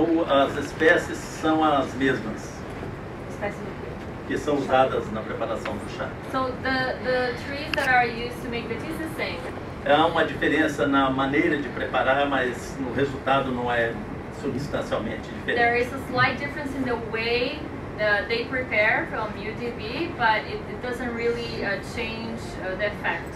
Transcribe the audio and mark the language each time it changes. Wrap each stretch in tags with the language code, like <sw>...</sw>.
<pt>As espécies são as mesmas. Espécies que são usadas na preparação do chá.</pt> <en>So, the trees that are used to make the tea is the same. Há uma diferença na maneira de preparar, mas no resultado não é substancialmente diferente. There is a slight difference in the way they prepare from UDB, but it doesn't really change the effect.</en>